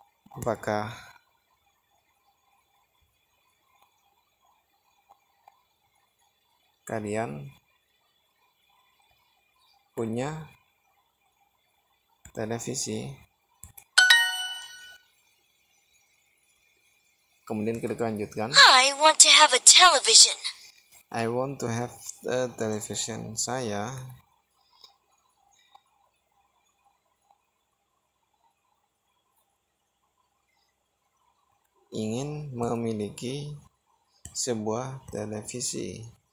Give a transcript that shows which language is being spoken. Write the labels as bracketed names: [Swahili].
[Indonesian] Apakah kalian punya televisi? Kemudian kita lanjutkan. [English] I want to have a television. I want to have a television. [Indonesian] Saya ingin memiliki sebuah televisi.